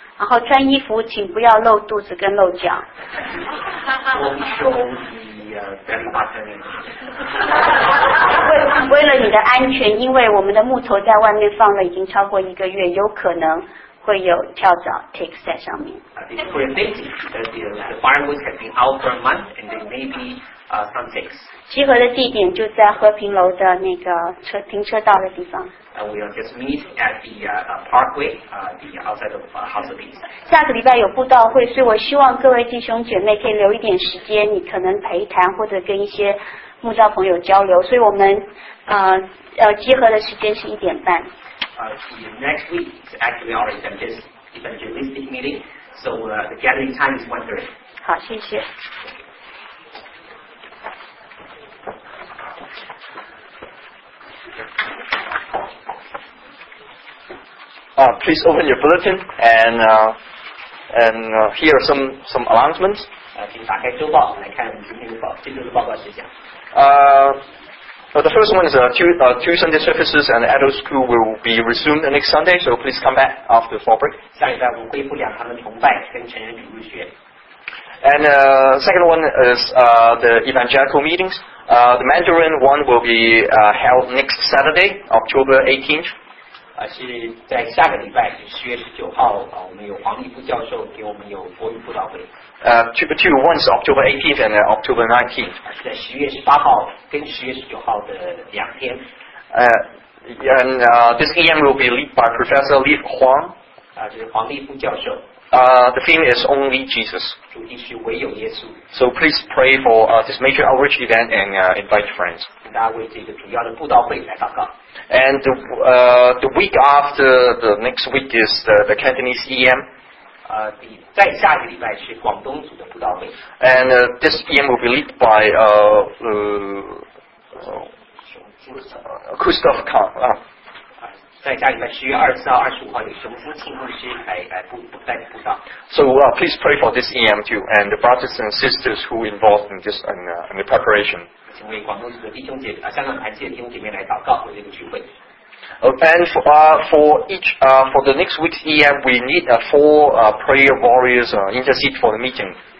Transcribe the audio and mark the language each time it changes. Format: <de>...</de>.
<zh>然后穿衣服，请不要露肚子跟露脚。</zh> <en>Don't show the belly button.</en> <zh>为了你的安全，因为我们的木头在外面放了已经超过一个月，有可能。会有跳蚤 ticks 在上面。</zh> <en>It's for your safety because the firewood has been out for a month and they may be some things.</en> <zh>集合的地点就在和平楼的那个车停车道的地方。</zh> <en>We will just meet at the parkway, the outside of House of Peace.</en> <zh>下个礼拜有布道会，所以我希望各位弟兄姐妹可以留一点时间，你可能陪谈或者跟一些牧道朋友交流。所以我们集合的时间是1:30。</zh> <en>Next week is actually our evangelistic meeting, so the gathering time is 1:30.</en> <zh>好，谢谢。</zh> <en>Please open your bulletin and here are some announcements.</en> <zh>请打开周报，我们来看我们今天的报，今天的报告事项。</zh> <en>The first one is two Sunday services and adult school will be resumed the next Sunday, so please come back after fall break.</en> <zh>下礼拜我们恢复两堂的崇拜跟成人主日学。</zh> <en>And second one is the evangelical meetings. The Mandarin one will be held next Saturday, October 18th.</en> <zh>是在下个礼拜，10月19日，我们有黄立夫教授给我们有国语辅导会。</zh> <en>Two ones, October 18th and October 19th.</en> <zh>是在10月18日跟10月19日的两天。</zh> <en>This EM will be led by Professor Li Huang.</en> <zh>是黄立夫教授。</zh> <en>The theme is Only Jesus.</en> <zh>主题是唯有耶稣。</zh> <en>So please pray for this major outreach event and invite friends.</en> <zh>请大家为这个主要的布道会来祷告。</zh> <en>And the week after the next week is the Cantonese EM.</en> <zh>在下一个礼拜是广东组的布道会。</zh> <en>And this EM will be led by Christoph Kahn.</en> <zh>在下礼拜10月24日到25日有熊夫庆牧师来布道。</zh> <en>So please pray for this EM too and the brothers and sisters who involved in this and in the preparation.</en> <zh>请为广东组的弟兄姐妹、香港台籍的弟兄姐妹来祷告为这个聚会。</zh> <en>And for the next week's EM, we need four prayer warriors intercede for the meeting.</en>